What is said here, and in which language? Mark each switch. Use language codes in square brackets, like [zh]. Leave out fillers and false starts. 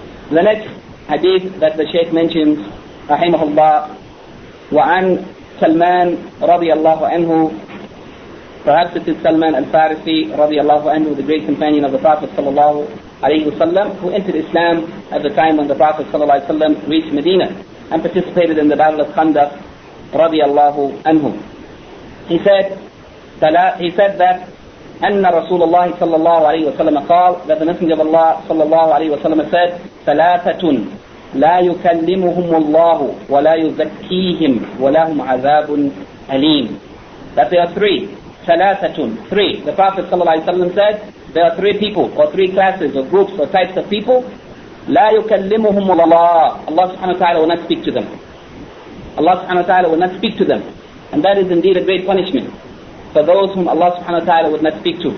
[en] The next hadith that the Shaykh mentions, rahimahullah, wa'an Salman radiallahu anhu, perhaps it is Salman al-Farisi radiallahu anhu, the great companion of the Prophet sallallahu alayhi wa sallam, who entered Islam at the time when the Prophet sallallahu alayhi wa sallam reached Medina and participated in the Battle of Khandaq radiallahu anhu. He said that [ar] أن رسول الله صلى الله عليه وسلم قال, [en] that the Messenger of Allah [ar] صلى الله عليه وسلم [en] said, [ar] ثلاثة لا يكلمهم الله ولا يزكيهم ولهم عذاب أليم. [en] That there are three, [ar] ثلاثة, [en] three. The Prophet صلى الله عليه وسلم said, there are three people or three classes or groups or types of people. [ar] لا يكلمهم الله, [en] Allah سبحانه وتعالى will not speak to them. Allah سبحانه وتعالى will not speak to them. And that is indeed a great punishment for those whom Allah subhanahu wa ta'ala would not speak to.